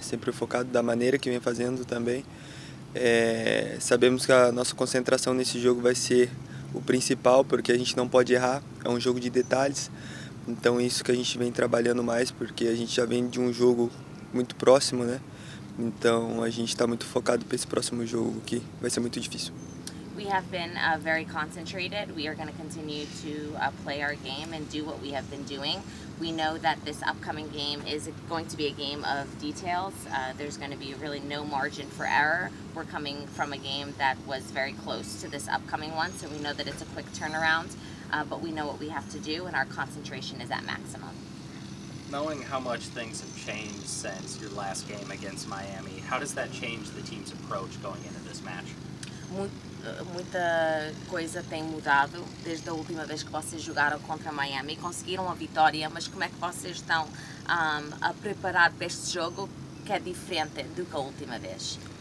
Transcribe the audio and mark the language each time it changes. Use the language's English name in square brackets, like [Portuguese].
[Portuguese] Sempre focado da maneira que vem fazendo também. Sabemos que a nossa concentração nesse jogo vai ser o principal, porque a gente não pode errar, é um jogo de detalhes. Então isso que a gente vem trabalhando mais, porque a gente já vem de um jogo muito próximo, né? Então a gente está muito focado para esse próximo jogo, que vai ser muito difícil. [English] We have been very concentrated. We are going to continue to play our game and do what we have been doing. We know that this upcoming game is going to be a game of details. There's going to be really no margin for error. We're coming from a game that was very close to this upcoming one, so we know that it's a quick turnaround, but we know what we have to do, and our concentration is at maximum. Knowing how much things have changed since your last game against Miami, how does that change the team's approach going into this match? [Portuguese] Muita coisa tem mudado desde a última vez que vocês jogaram contra Miami. Conseguiram a vitória, mas como é que vocês estão a preparar para este jogo, que é diferente do que a última vez?